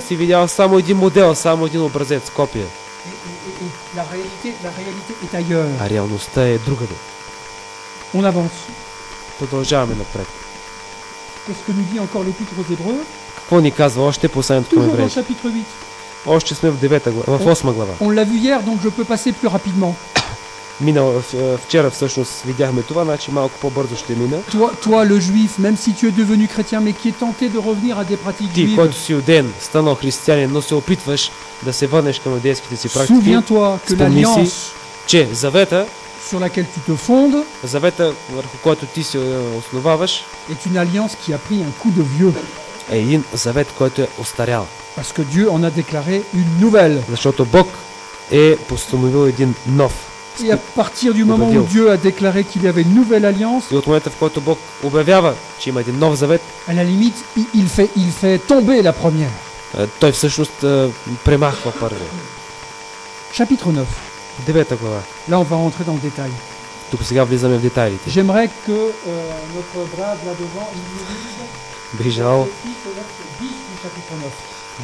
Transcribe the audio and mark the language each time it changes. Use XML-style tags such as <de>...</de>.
<bg>си видял само един модел, само един образец, копия.</bg> <fr>La réalité est ailleurs.</fr> <bg>А реалността е другаде.</bg> <fr>On avance.</fr> <bg>Продължаваме напред.</bg> <fr>Qu'est-ce que nous dit encore l'épître aux Hébreux?</fr> <bg>Какво ни казва още посланието към евреите?</bg> <fr>Toujours au chapitre 8.</fr> <bg>Още сме в 9-та глава, в 8-ма глава.</bg> <fr>On l'a vu hier, donc je peux passer plus rapidement.</fr> <bg>Мина, вчера всъщност видяхме това, значи малко по-бързо ще мина.</bg> <fr>Toi le juif, même si tu es devenu chrétien, mais qui est tenté de revenir à des pratiques juives.</fr> <bg>Ти, който си юден, станал християнин, но се опитваш да се върнеш към юдейските си практики.</bg> <fr>Souviens-toi que l'alliance,</fr> <bg>че завета,</bg> <fr>sur laquelle tu te fondes,</fr> <bg>завета, върху който ти се основаваш,</bg> <fr>est une alliance qui a pris un coup de vieux.</fr> <bg>Е един завет, който е остарял.</bg> <fr>Parce que Dieu en a déclaré une nouvelle.</fr> <bg>Защото Бог е постановил един нов.</bg> <fr>Et à partir du moment où Dieu a déclaré qu'il y avait une nouvelle alliance,</fr> <bg>от момента, в който Бог обявява, че има един нов завет,</bg> <fr>à la limite, il fait tomber la première.</fr> <bg>Той всъщност премахва първия.</bg> <fr>Chapitre 9.</fr> <bg>Девета глава.</bg> <fr>Là, on va rentrer dans le détail.</fr> <bg>Тук сега влизаме в детайлите.</bg> <fr>J'aimerais que notre brave là-devant, il</fr>